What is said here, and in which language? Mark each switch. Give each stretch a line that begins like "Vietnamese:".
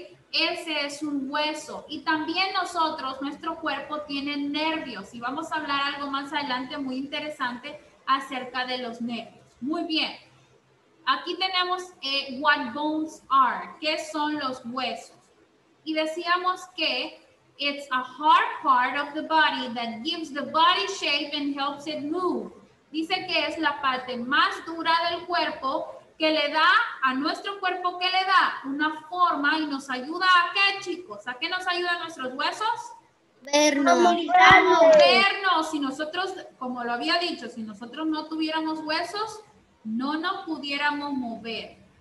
Spanish: Ese es un hueso. Y también nosotros, nuestro cuerpo tiene nervios. Y vamos a hablar algo más adelante muy interesante acerca de los nervios. Muy bien. Aquí tenemos
English: what bones are,
Spanish: ¿qué son los huesos? Y decíamos que
English: it's a hard part of the body that gives the body shape and helps it move.
Spanish: Dice que es la parte más dura del cuerpo que le da a nuestro cuerpo, que le da una forma y nos ayuda a qué, chicos. ¿A qué nos ayudan nuestros huesos? Vernos. Si nosotros, como lo había dicho, si nosotros no tuviéramos huesos, no nos pudiéramos mover.